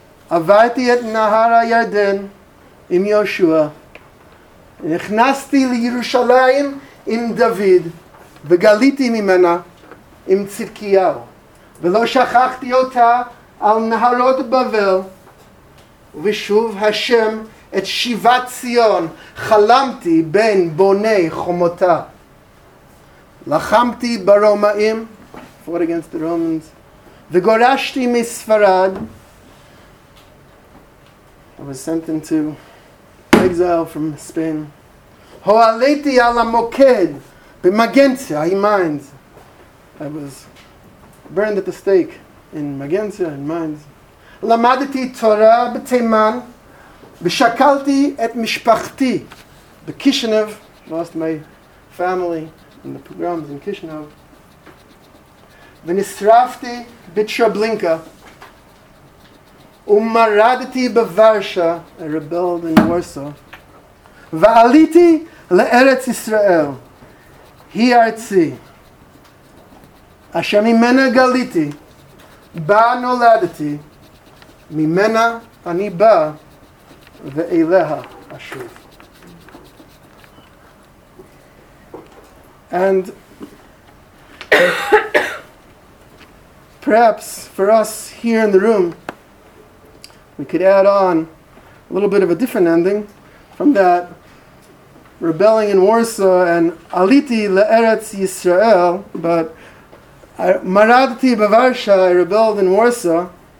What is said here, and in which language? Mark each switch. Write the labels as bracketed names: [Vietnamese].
[Hebrew] עברתי את נהר הירדן עם יהושע, נכנסתי לירושלים עם דוד וגליתי ממנה עם צדקיהו, ולא שכחתי אותה על נהרות בבל. ושוב השם את שיבת ציון חלמתי בין בוני חומותה. לחמתי ברומאים, [English] fought against the Romans, [Hebrew] וגורשתי מספרד, [English] I was sent into exile from Spain, [Hebrew] הועליתי על המוקד במגנציה, [English] he minds, I was burned at the stake in Magenta and Mines. [Hebrew] למדתי תורה בתימן ושקלתי את משפחתי בקישינב, [English] lost my family in the pogroms in Kishinev. [Hebrew] ונשרפתי בטרבלינקה ומרדתי בוורשה, [English] I rebelled in Warsaw. [Hebrew] ועליתי לארץ ישראל, היא ארצי, אשר ממנה גליתי, בה נולדתי, ממנה אני בא, ואליה אשוב. [English] And perhaps for us here in the room, we could add on a little bit of a different ending from that, rebelling in Warsaw and [Hebrew] Aliti le'eretz Yisrael, [English] but [Hebrew] Maradti Bavarsha, [English] I rebelled in Warsaw.